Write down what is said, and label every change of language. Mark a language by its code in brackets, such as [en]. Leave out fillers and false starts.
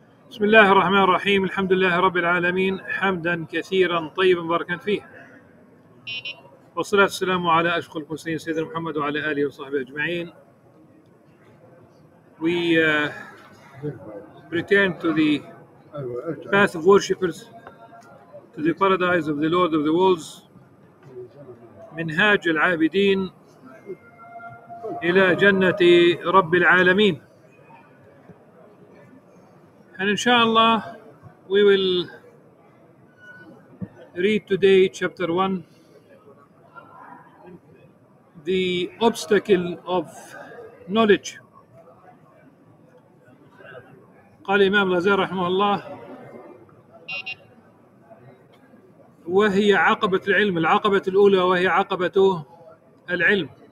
[ar] بسم الله الرحمن الرحيم، الحمد لله رب العالمين، حمدا كثيرا طيبا مباركا فيه، والصلاة والسلام على أشرف المرسلين سيدنا محمد وعلى آله وصحبه أجمعين. [en] We return to the path of worshippers, to the paradise of the Lord of the Worlds. [ar] منهاج العابدين إلى جنة رب العالمين. [en] And inshallah, we will read today chapter 1, the obstacle of knowledge. [ar] قال إمام الغزالي رحمه الله وهي عقبة العلم، العقبة الأولى وهي عقبة العلم.